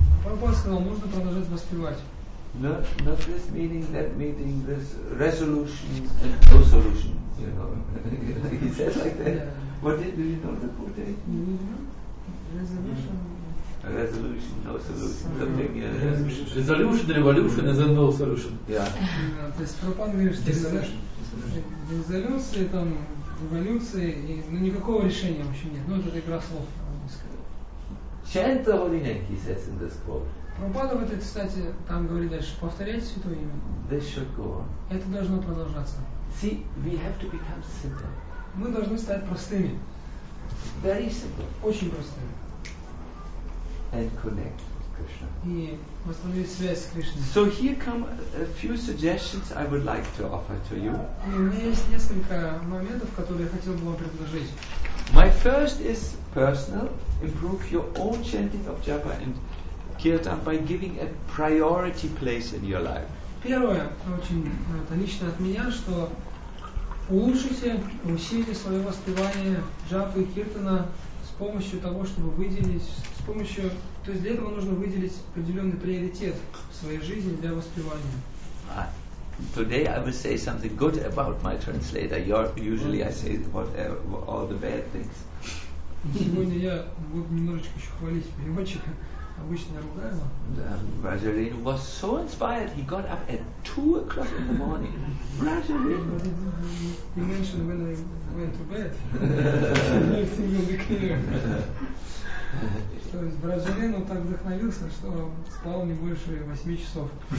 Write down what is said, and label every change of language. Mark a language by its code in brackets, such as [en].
[ru] Прабхупада сказал, нужно продолжать воспевать. [en] Not this meeting, that meeting, this resolution and no solution. You know, he says like that. Yeah. What did you know the quote? Resolution. Resolution, no solution. Resolution, revolution, and then no solution. Yeah. [ru] То есть Прабхупада говорит, что резолюция, там эволюция, и ну никакого решения вообще нет. Ну это игра слов. [en] Chant the holy name, he says in this quote. [ru] Прабхупада в этой цитате там говорит дальше, повторяйте святое имя. [en] This should go on. [ru] Это должно продолжаться. [en] See, we have to become simple. [ru] Мы должны стать простыми. [en] Very simple. [ru] Очень простыми. [en] And connect with Krishna. [ru] И восстановить связь с Кришной. [en] So here come a few suggestions I would like to offer to you. [ru] И у меня есть несколько моментов, которые я хотел бы вам предложить. [en] My first is personal. Improve your own chanting of Japa and Kirtan by giving a priority place in your life. [ru] Первое, очень это лично от меня, что улучшите, усилите свое воспевание Джапы и Киртана с помощью того, чтобы выделить, то есть для этого нужно выделить определенный приоритет в своей жизни для воспевания. [en] Today I will say something good about my translator. Usually I say all the bad things. [ru] Сегодня я буду немножечко еще хвалить переводчика. Обычно я ругаю его. [en] Rajareen was so inspired. He got up at 2:00 in the morning. Rajareen. You mentioned when I went to bed. Everything will be clear. [ru] То есть Rajareen он так вдохновился, что спал не больше 8 часов.